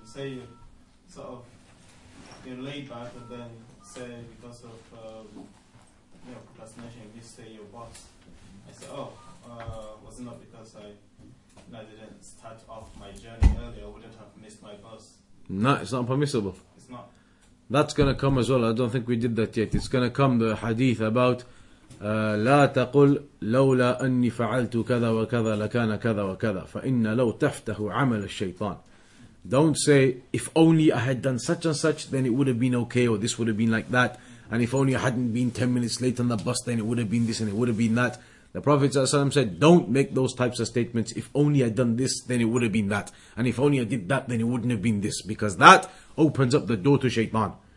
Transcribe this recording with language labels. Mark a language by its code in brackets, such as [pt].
[en] Say, sort of, you're laid back, and then, say, because of procrastination, you say your boss. I say, was it not because I didn't start off my journey earlier, I wouldn't have missed my bus? No, it's not permissible. It's not. That's going to come as well. I don't think we did that yet. It's going to come, the hadith about [ar] لا تقل لولا أني فعلت كذا وكذا لكان كذا وكذا فإن لو تفته عمل الشيطان. [en] Don't say if only I had done such and such then it would have been okay, or this would have been like that, and if only I hadn't been 10 minutes late on the bus then it would have been this and it would have been that. The Prophet ﷺ said, don't make those types of statements. If only I'd done this then it would have been that, and if only I did that then it wouldn't have been this, because that opens up the door to shaitan.